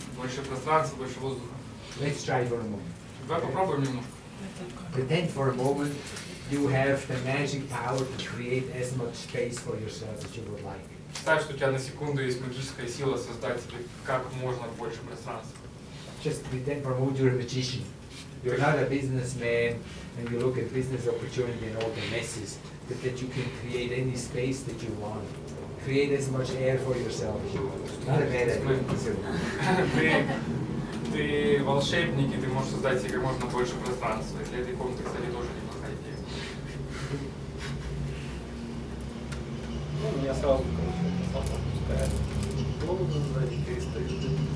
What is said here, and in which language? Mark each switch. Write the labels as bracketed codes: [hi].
[ru] Больше пространства, больше воздуха. [en] Let's try for a moment. [ru] Давай попробуем немножко. [en] Pretend for a moment you have the magic power to create as much space for yourself as you would like. [ru] Представь, что у тебя на секунду есть магическая сила создать себе как можно больше пространства. [en] Just pretend for a moment you're a magician. You're not a businessman and you look at business opportunity and all the messes, but that you can create any space that you want. Create as much air for yourself as you want. It's not a bad idea. [ru] Ты волшебник, и ты можешь создать себе как можно больше пространства. Для этой комнаты, кстати, тоже неплохая идея. Ну, меня сразу, конечно, это слабо пускает. Голову, значит, перестаю.